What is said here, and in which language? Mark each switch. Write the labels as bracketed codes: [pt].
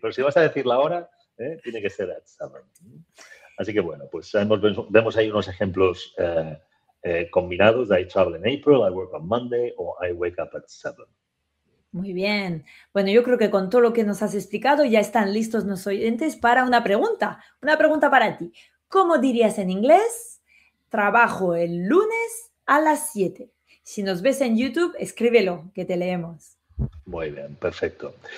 [es] Pero si vas a decir la hora, tiene que ser at 7. Así que bueno, pues vemos ahí unos ejemplos. [en] Combinados, I travel in April, I work on Monday, o I wake up at 7. [es] Muy bien. Bueno, yo creo que con todo lo que nos has explicado ya están listos los oyentes para una pregunta. Una pregunta para ti. ¿Cómo dirías en inglés? Trabajo el lunes a las 7. Si nos ves en YouTube, escríbelo, que te leemos. Muy bien, perfecto.